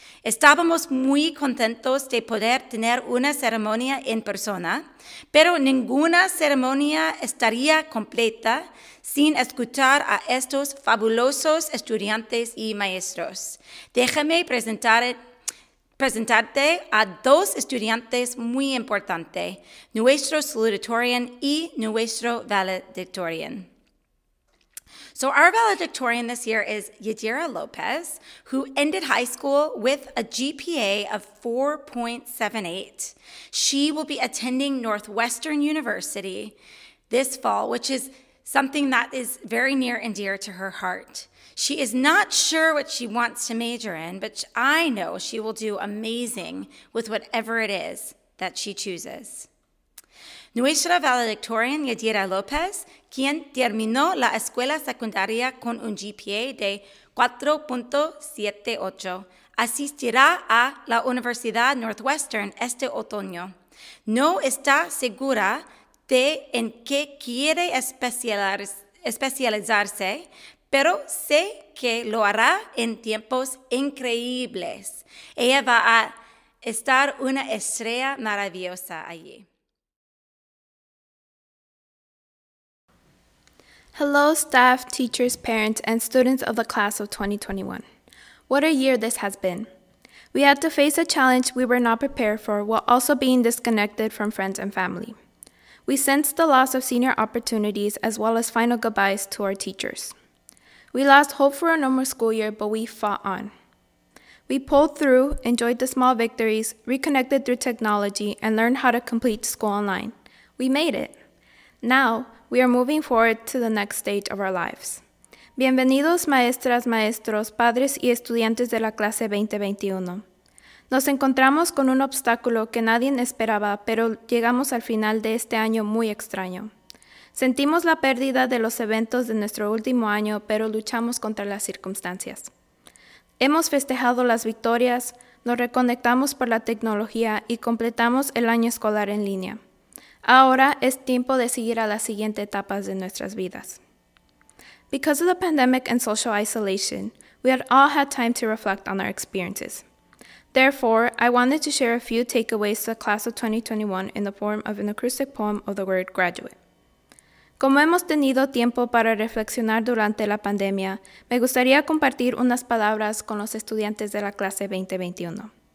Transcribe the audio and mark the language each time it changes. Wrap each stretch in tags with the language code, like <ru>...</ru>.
<es>Estábamos muy contentos de poder tener una ceremonia en persona, pero ninguna ceremonia estaría completa sin escuchar a estos fabulosos estudiantes y maestros. Déjame presentarte a dos estudiantes muy importantes, nuestro salutatorian y nuestro valedictorian.</es> <en>So our valedictorian this year is Yadira Lopez, who ended high school with a GPA of 4.78. She will be attending Northwestern University this fall, which is something that is very near and dear to her heart. She is not sure what she wants to major in, but I know she will do amazing with whatever it is that she chooses.</en> <es>Nuestra valedictorian Yadira Lopez, quien terminó la escuela secundaria con un GPA de 4.78, asistirá a la Universidad Northwestern este otoño. No está segura de en qué quiere especializarse, pero sé que lo hará en tiempos increíbles. Ella va a estar una estrella maravillosa allí.</es> <en>Hello, staff, teachers, parents, and students of the class of 2021. What a year this has been. We had to face a challenge we were not prepared for while also being disconnected from friends and family. We sensed the loss of senior opportunities as well as final goodbyes to our teachers. We lost hope for a normal school year, but we fought on. We pulled through, enjoyed the small victories, reconnected through technology, and learned how to complete school online. We made it. Now, we are moving forward to the next stage of our lives.</en> <es>Bienvenidos, maestras, maestros, padres y estudiantes de la clase 2021. Nos encontramos con un obstáculo que nadie esperaba, pero llegamos al final de este año muy extraño. Sentimos la pérdida de los eventos de nuestro último año, pero luchamos contra las circunstancias. Hemos festejado las victorias, nos reconectamos por la tecnología y completamos el año escolar en línea. Ahora es tiempo de seguir a las siguientes etapas de nuestras vidas.</es> <en>Because of the pandemic and social isolation, we had all had time to reflect on our experiences. Therefore, I wanted to share a few takeaways to the class of 2021 in the form of an acrostic poem of the word graduate.</en> <es>Como hemos tenido tiempo para reflexionar durante la pandemia, me gustaría compartir unas palabras con los estudiantes de la clase 2021.</es>